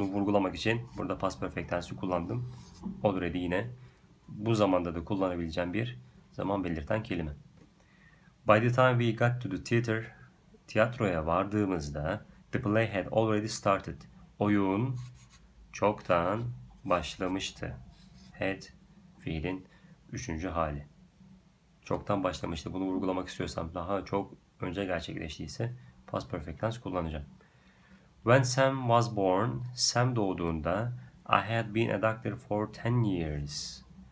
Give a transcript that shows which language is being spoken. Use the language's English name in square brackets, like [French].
[Turkish] Bunu vurgulamak için burada past perfect tense'i kullandım. Already yine bu zamanda da kullanabileceğim bir zaman belirten kelime. [English] By the time we got to the theater, [Turkish] tiyatroya vardığımızda [English] the play had already started. [Turkish] Oyun çoktan başlamıştı. Had fiilin üçüncü hali. Çoktan başlamıştı. Bunu vurgulamak istiyorsam daha çok önce gerçekleştiyse past perfect tense kullanacağım. [English] When Sam was born, [Turkish] Sam doğduğunda [English] I had been a doctor for 10 years.